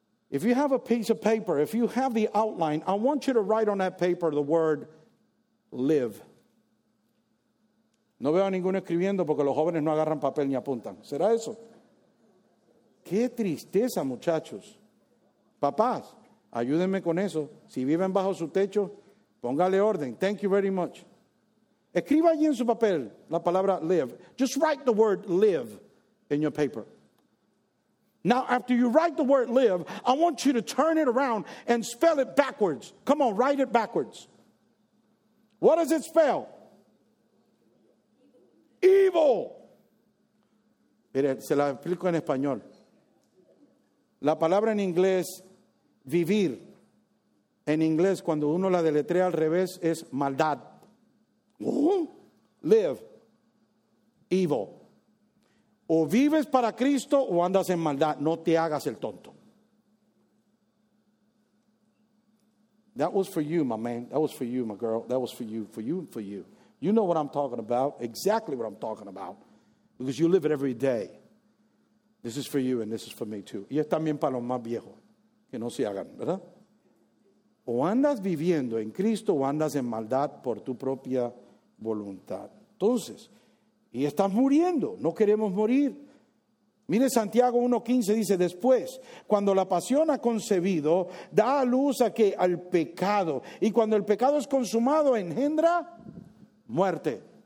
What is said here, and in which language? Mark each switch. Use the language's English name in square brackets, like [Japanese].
[English] If you have a piece of paper, if you have the outline, I want you to write on that paper the word live. [Spanish] No veo a ninguno escribiendo porque los jóvenes no agarran papel ni apuntan. ¿Será eso? Qué tristeza, muchachos. Papás, ayúdenme con eso. Si viven bajo su techo, póngale orden. [English] Thank you very much. [Spanish] Escriba allí en su papel la palabra live. [English] Just write the word live in your paper. Now, after you write the word live, I want you to turn it around and spell it backwards. Come on, write it backwards. What does it spell? [Spanish] Evil. Mire, se la explico en español. La palabra en inglés, vivir, en inglés, cuando uno la deletrea al revés, es maldad. [English] Live. Evil. [Spanish] O vives para Cristo o andas en maldad. No te hagas el tonto. [English] That was for you, my man. That was for you, my girl. That was for you, for you, for you. You know what I'm talking about. Exactly what I'm talking about. Because you live it every day. This is for you and this is for me too. [Spanish] Y es también para los más viejos. Que no se hagan, ¿verdad? O andas viviendo en Cristo o andas en maldad por tu propia voluntad. Entonces, y estás muriendo, no queremos morir. Mire Santiago 1:15 dice, después, cuando la pasión ha concebido, da a luz a que al pecado, y cuando el pecado es consumado, engendra muerte.